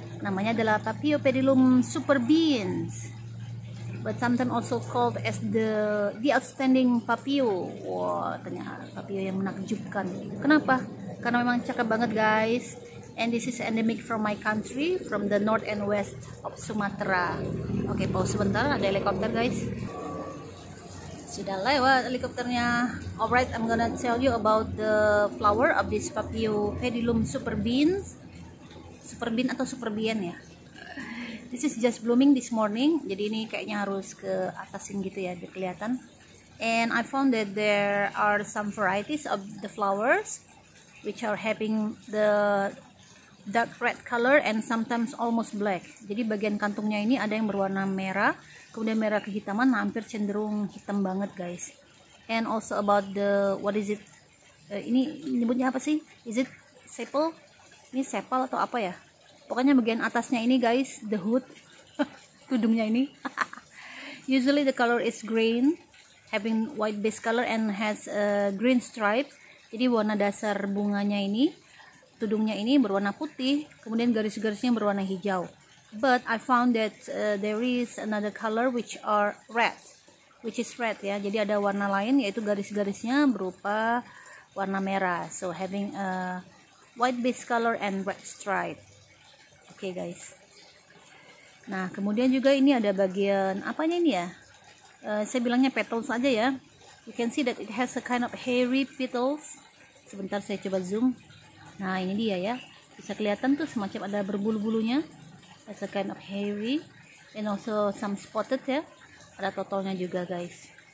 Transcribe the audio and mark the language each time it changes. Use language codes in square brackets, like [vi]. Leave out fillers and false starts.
[id] Namanya adalah Papio pedilum super beans. [en] But sometimes also called as the outstanding Papio. [id] Wah, ternyata Papio yang menakjubkan. Kenapa? Karena memang cakep banget, [en] guys. And this is endemic from my country, from the north and west of Sumatera. [id] Okay, pause sebentar, ada helikopter guys. Sudah lewat helikopternya. [en] Alright, I'm gonna tell you about the flower of this Papio pedilum super beans. Super bean atau super bean ya. This is just blooming this morning. [id] Jadi ini kayaknya harus ke atasin gitu ya, biar kelihatan. [en] And I found that there are some varieties of the flowers, which are having the dark red color and sometimes almost black. [id] Jadi bagian kantungnya ini ada yang berwarna merah, kemudian merah kehitaman, hampir cenderung hitam banget guys. [en] And also about the what is it? [id] Ini nyebutnya apa sih? [en] Is it sepal? [id] Ini sepal atau apa ya? Pokoknya bagian atasnya ini guys, [en] the hood, [id] tudungnya ini. [en] Usually the color is green, having white base color and has a green stripe. [id] Jadi warna dasar bunganya ini. Tudungnya ini berwarna putih, kemudian garis-garisnya berwarna hijau. [en] But I found that there is another color which are red, which is red ya. [id] Jadi ada warna lain yaitu garis-garisnya berupa warna merah. [en] So having a white base color and red stripe. Okay guys. [id] Nah kemudian juga ini ada bagian apanya ini ya? Saya bilangnya petals aja ya. [en] You can see that it has a kind of hairy petals. [id] Sebentar saya coba zoom. Nah ini dia ya, bisa kelihatan tuh semacam ada berbulu-bulunya, [en] as a kind of hairy, and also some spotted [id] ya, ada totolnya juga guys.